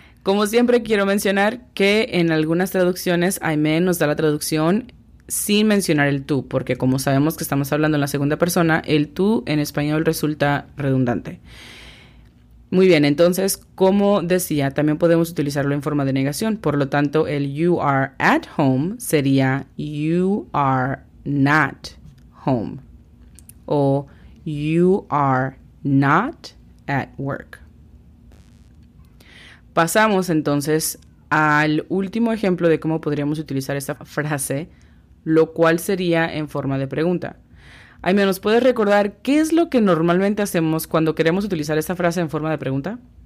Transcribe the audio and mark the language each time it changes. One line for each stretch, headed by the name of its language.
Spanish: Como siempre, quiero mencionar que en algunas traducciones, Aime nos da la traducción sin mencionar el tú, porque como sabemos que estamos hablando en la segunda persona, el tú en español resulta redundante. Muy bien, entonces, como decía, también podemos utilizarlo en forma de negación. Por lo tanto, el
English: you are at home
Spanish: sería
English: you are not home
Spanish: o
English: you are not at work.
Spanish: Pasamos entonces al último ejemplo de cómo podríamos utilizar esta frase, lo cual sería en forma de pregunta. Aime, ¿nos puedes recordar qué es lo que normalmente hacemos cuando queremos utilizar esta frase en forma de pregunta?